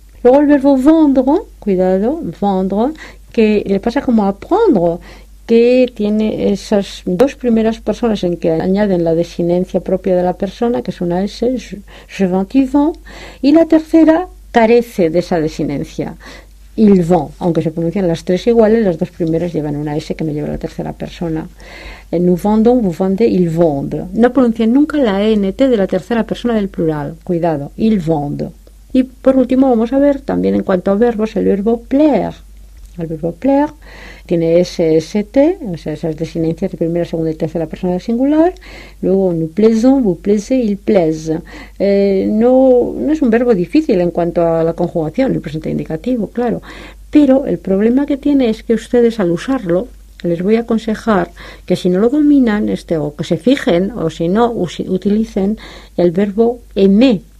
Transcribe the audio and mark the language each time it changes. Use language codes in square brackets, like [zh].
[es] Luego el verbo vendre, cuidado, vendre, que le pasa como apprendre, que tiene esas dos primeras personas en que añaden la desinencia propia de la persona, que es una S, [fr] je vends, tu vends, [es] y la tercera carece de esa desinencia, [fr] il vend, [es] aunque se pronuncian las tres iguales, las dos primeras llevan una S que me lleva a la tercera persona. [fr] Nous vendons, vous vendez, ils vendent. [es] No pronuncian nunca la NT de la tercera persona del plural, cuidado, [fr] ils vendent. [es] Y por último vamos a ver también en cuanto a verbos el verbo plaire. El verbo plaire tiene SST, o sea, esas desinencias de primera, segunda y tercera persona del singular. Luego, [fr] nous plaisons, vous plaisez, il plaise. [es] No es un verbo difícil en cuanto a la conjugación, el presente indicativo, claro. Pero el problema que tiene es que ustedes al usarlo, les voy a aconsejar que si no lo dominan, o que se fijen, o si no, utilicen el verbo aimer.